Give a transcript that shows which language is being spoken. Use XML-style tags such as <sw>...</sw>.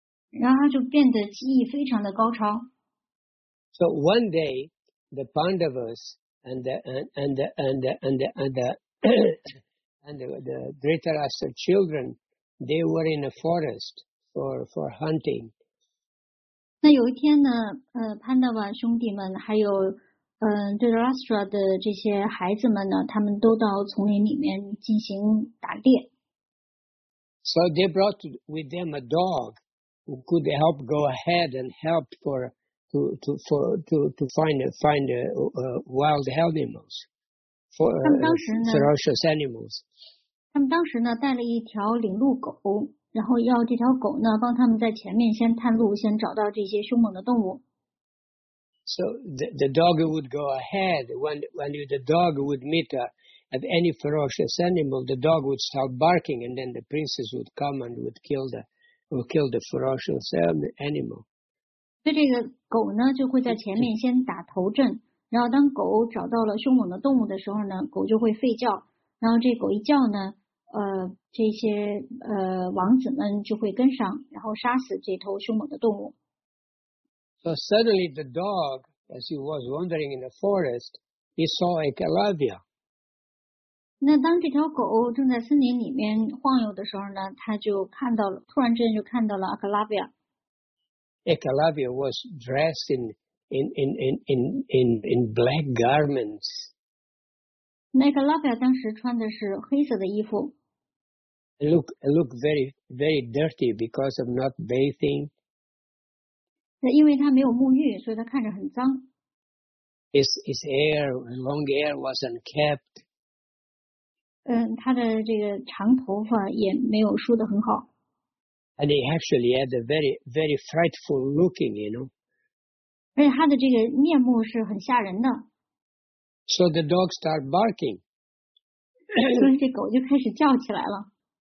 <zh>然后他就变得技艺非常的高超。</zh> <en>So one day, the Pandavas and the Dhritarashtra children, they were in a forest for hunting.</en> <zh>那有一天呢，Pandava 兄弟们还有Dhritarashtra 的这些孩子们呢，他们都到丛林里面进行打猎。</zh> <en>So they brought with them a dog. Who could help go ahead and help to find wild animals ferocious animals.</en> <zh>他们当时呢带了一条领路狗，然后要这条狗呢帮他们在前面先探路，先找到这些凶猛的动物。</zh> <en>So the dog would go ahead. When the dog would meet at any ferocious animal, the dog would start barking, and then the princess would come and would kill the. Who killed the ferocious animal?</en> <zh>对这个狗呢，就会在前面先打头阵，然后当狗找到了凶猛的动物的时候呢，狗就会吠叫，然后这狗一叫呢，这些王子们就会跟上，然后杀死这头凶猛的动物。</zh> <en>So suddenly the dog, as he was wandering in the forest, he saw Ekalavya.</en> <zh>那当这条狗正在森林里面晃悠的时候呢，他就看到了，突然之间就看到了 Ekalavya。</zh> <en>Ekalavya was dressed in black garments.</en> <zh>Ekalavya 当时穿的是黑色的衣服。</zh> <en>Look very very dirty because of not bathing.</en> <zh>因为他没有沐浴，所以他看着很脏。</zh> <en>His hair, long hair, was unkept.</en> <zh>他的这个长头发也没有梳得很好。</zh> <en>And he actually had a very, very frightful looking, you know.</en> <zh>而且他的这个面目是很吓人的。</zh> <en>So the dog started barking.</en> <zh>所以这狗就开始叫起来了。</zh>